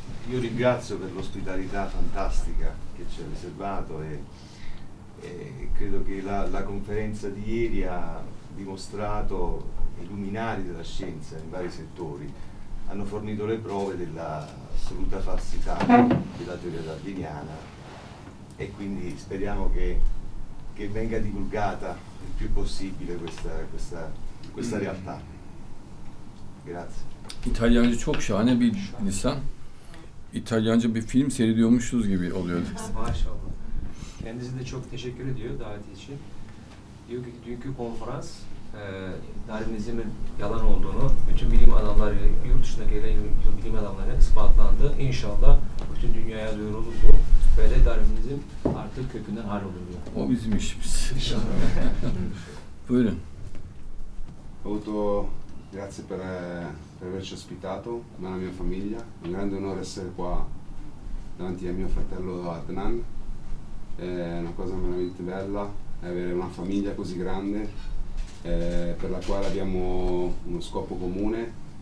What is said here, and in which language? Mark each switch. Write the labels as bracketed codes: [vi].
[it] Io ringrazio per l'ospitalità fantastica che ci ha riservato e credo che la conferenza di ieri ha dimostrato i luminari della scienza in vari settori, hanno fornito le prove dell'assoluta falsità della teoria darwiniana e quindi speriamo che venga divulgata il più possibile questa realtà. Grazie. [tr] Italiano çok şahane bir insan. İtalyanca bir film seyrediyormuşuz gibi oluyor. Maşallah. Kendisi de çok teşekkür ediyor daveti için. Diyor ki dünkü konferans Darwinizm'in yalan olduğunu bütün bilim adamları, yurt dışına gelen bilim adamları ispatlandı. İnşallah bütün dünyaya duyurulur bu ve de Darwinizm artık kökünden hal olur. O bizim işimiz. Buyurun. [it] Auto grazie per averci ospitato, me e la mia famiglia. È un grande onore essere qua davanti a mio fratello Adnan. È una cosa veramente bella avere una famiglia così grande per la quale abbiamo uno scopo comune.